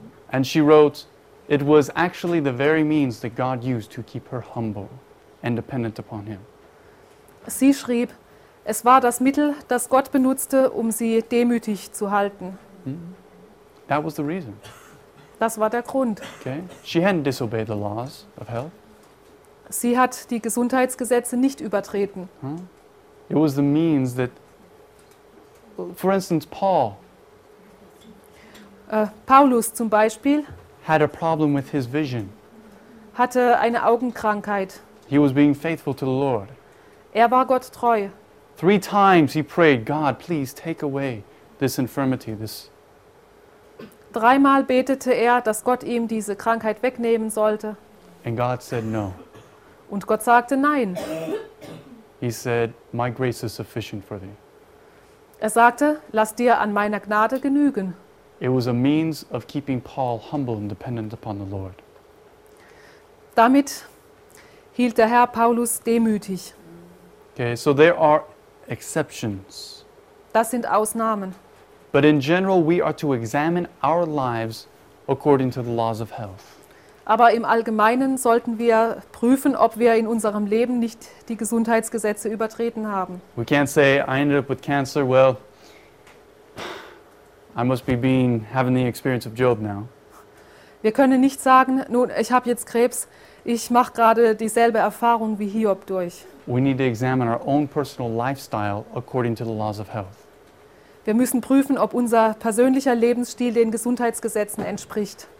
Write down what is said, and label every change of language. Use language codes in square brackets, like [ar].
[en] And she wrote, it was actually the very means that God used to keep her humble and dependent upon him. [de] Sie schrieb, es war das Mittel, das Gott benutzte, um sie demütig zu halten. [en] That was the reason. [de] Das war der Grund. [en] Okay. She hadn't disobeyed the laws of health. [de] Sie hat die Gesundheitsgesetze nicht übertreten. [en] It was the means that, for instance, Paul. [de] Paulus zum Beispiel. [en] Had a problem with his vision. [de] Hatte eine Augenkrankheit. [en] He was being faithful to the Lord. [de] Er war Gott treu. [en] Three times he prayed, God, please take away this infirmity, this [de] Dreimal betete er, dass Gott ihm diese Krankheit wegnehmen sollte. [en] And God said no. [de] Und Gott sagte nein. [en] He said, "My grace is sufficient for thee." [de] Er sagte, lass dir an meiner Gnade genügen. [en] It was a means of keeping Paul humble and dependent upon the Lord. [de] Damit hielt der Herr Paulus demütig. [en] Okay, so there are exceptions. [de] Das sind Ausnahmen. [en] But in general, we are to examine our lives according to the laws of health. [de] Aber im Allgemeinen sollten wir prüfen, ob wir in unserem Leben nicht die Gesundheitsgesetze übertreten haben. [en] We can't say I ended up with cancer. Well, I must be being having the experience of Job now. [de] Wir können nicht sagen, nun, ich habe jetzt Krebs, ich mache gerade dieselbe Erfahrung wie Hiob durch. [en] We need to examine our own personal lifestyle according to the laws of health. [de] Wir müssen prüfen, ob unser persönlicher Lebensstil den Gesundheitsgesetzen entspricht.